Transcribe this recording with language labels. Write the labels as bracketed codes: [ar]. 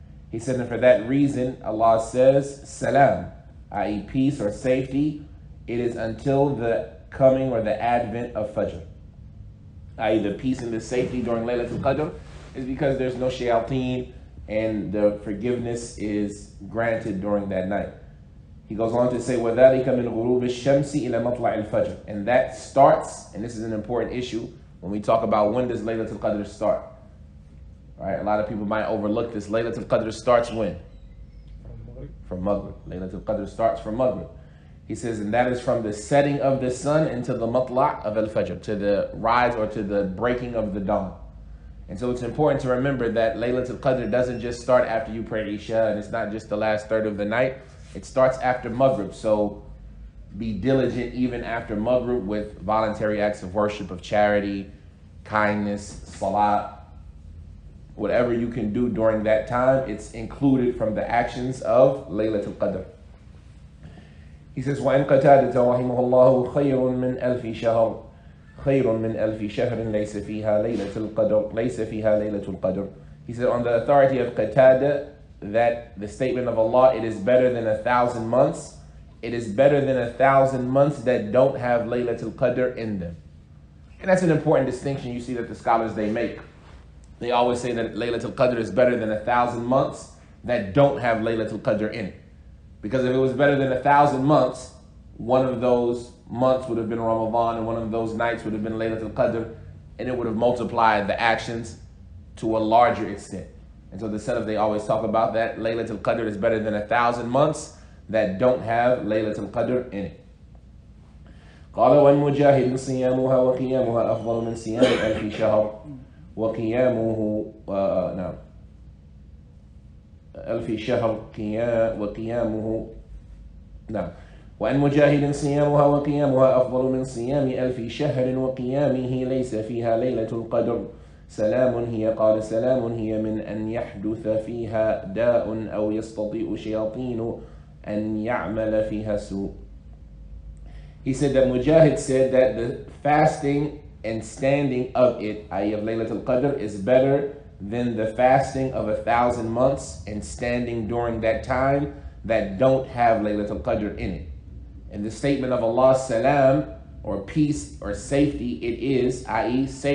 [en] He said, and for that reason, Allah says, salam, i.e. peace or safety, it is until the coming or the advent of Fajr. I.e. the peace and the safety during Laylatul Qadr is because there's no shayateen and the forgiveness is granted during that night. He goes on to say, [ar] وَذَلِكَ مِنْ غُرُوبِ الشَّمْسِ إِلَى مَطْلَعِ الْفَجْرِ. [en] And that starts, and this is an important issue, when we talk about when does Laylatul Qadr start. Right? A lot of people might overlook this. Laylatul Qadr starts when? From Maghrib. Laylatul Qadr starts from Maghrib. He says, and that is from the setting of the sun into the matla' of al-fajr, to the rise or to the breaking of the dawn. And so it's important to remember that Laylatul Qadr doesn't just start after you pray Isha, and it's not just the last third of the night. It starts after Maghrib. So be diligent even after Maghrib with voluntary acts of worship, of charity, kindness, salat. Whatever you can do during that time, it's included from the actions of Laylatul Qadr. He says, [ar] وَإِنْ قَتَادَةَ رَحِمُهُ اللَّهُ خَيْرٌ مِنْ أَلْفِ شَهْرٍ خير من ألف شهر ليس فيها ليلة القدر ليس فيها ليلة القدر. [en] He said, on the authority of Qatada, that the statement of Allah, it is better than 1,000 months. It is better than 1,000 months that don't have Laylatul Qadr in them. And that's an important distinction you see that the scholars, they make. They always say that Laylatul Qadr is better than 1,000 months that don't have Laylatul Qadr in it. Because if it was better than 1,000 months, one of those months would have been Ramadan and one of those nights would have been Laylatul Qadr, and it would have multiplied the actions to a larger extent. And so the Salaf, they always talk about that. Laylatul Qadr is better than 1,000 months that don't have Laylatul Qadr in it. [ar] قَالَ وَالْمُجَاهِدُ صِيَامُهَا وَقِيَامُهَا أَفْضَلُ مِنْ صِيَامِ أَلْفِ شَهْرٍ وَقِيَامُهُ نعم أَلْفِ شَهْرٍ وَقِيَامُهُ نعم وَالْمُجَاهِدُ صِيَامُهَا وَقِيَامُهَا أَفْضَلُ مِنْ صِيَامِ أَلْفِ شَهْرٍ وَقِيَامِهِ لَيْسَ فِيهَا لَيْلَةُ الْقَدْرِ سلام هي قال سلام هي من أن يحدث فيها داء أو يستطيع شياطين أن يعمل فيها سوء. [en] He said that Mujahid said that the fasting and standing of it, i.e. of Laylatul Qadr, is better than the fasting of 1,000 months and standing during that time that don't have Laylatul Qadr in it. And the statement of Allah, salam, or peace or safety, it is, i.e.